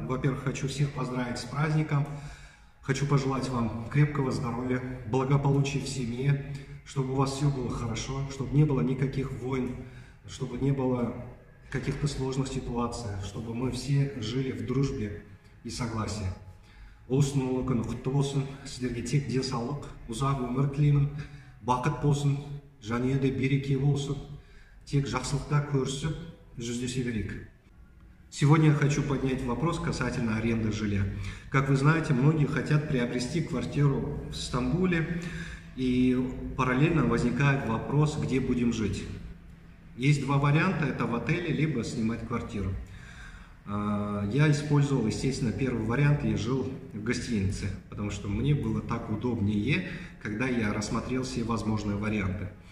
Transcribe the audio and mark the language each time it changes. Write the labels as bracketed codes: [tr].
[ru] Во-первых, хочу всех поздравить с праздником. Хочу пожелать вам крепкого здоровья, благополучия в семье, чтобы у вас все было хорошо, чтобы не было никаких войн, чтобы не было каких-то сложных ситуаций, чтобы мы все жили в дружбе и согласии. [kk] Осну лукын хуттобосын, сіздерге тек денсаулық, ұзақ өмір тілеймін, бақыт болсын, жанұяда береке болсын, тек жақсылықта көрісіп, жүздесе берейік. [ru] Сегодня я хочу поднять вопрос касательно аренды жилья. Как вы знаете, многие хотят приобрести квартиру в Стамбуле, и параллельно возникает вопрос, где будем жить. Есть два варианта, это в отеле, либо снимать квартиру. Я использовал, естественно, первый вариант, я жил в гостинице, потому что мне было так удобнее, когда я рассмотрел все возможные варианты.